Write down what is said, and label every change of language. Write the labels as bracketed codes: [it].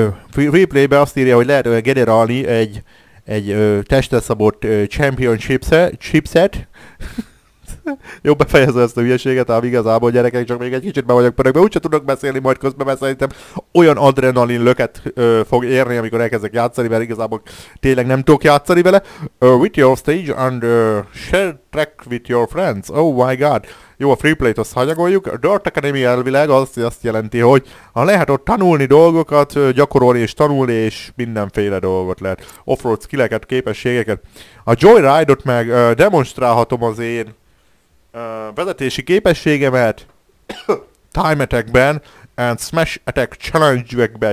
[hu] Freeplay-be azt írja, hogy lehet generálni egy testre szabott championship chipset. Jó, befejezem ezt a hülyeséget, ám igazából gyerekek, csak még egy kicsit be vagyok pörögbe, úgyse tudok beszélni majd közben, mert szerintem olyan adrenalin löket fog érni, amikor elkezdek játszani, mert igazából tényleg nem tudok játszani vele. [en] With your stage and share track with your friends. Oh my god. [hu] Jó, a freeplay-t azt hanyagoljuk. Dirt Academy elvileg azt jelenti, hogy ha lehet ott tanulni dolgokat, gyakorolni és tanulni, és mindenféle dolgot lehet. Offroad skilleket, képességeket. A Joyride-ot meg demonstrálhatom az én vezetési képességemet Time Attack-ben and Smash Attack Challenge-ekben.